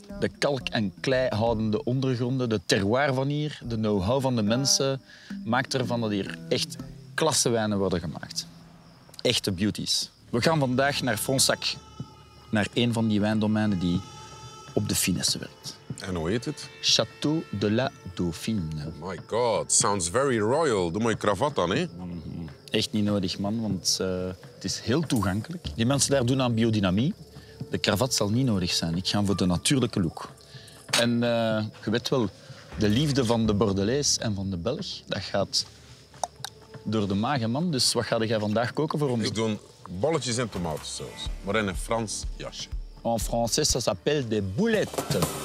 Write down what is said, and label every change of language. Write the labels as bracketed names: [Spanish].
[Dutch] De kalk- en kleihoudende ondergronden, de terroir van hier, de know-how van de mensen, maakt ervan dat hier echt klasse wijnen worden gemaakt. Echte beauties. We gaan vandaag naar Fronsac, naar een van die wijndomeinen die op de finesse werkt. En hoe heet het? Château de la Dauphine. [English] Oh my god, sounds very royal. [Dutch] Doe maar je cravat dan, hè? Echt niet nodig, man, want het is heel toegankelijk. Die mensen daar doen aan biodynamie. De cravat zal niet nodig zijn. Ik ga voor de natuurlijke look. En je weet wel, de liefde van de Bordelais en van de Belg, dat gaat door de maag, man. Dus wat ga jij vandaag koken voor ons? Ik doe bolletjes en tomatensaus, maar in een Frans jasje. [French] En français, ça s'appelle des boulettes.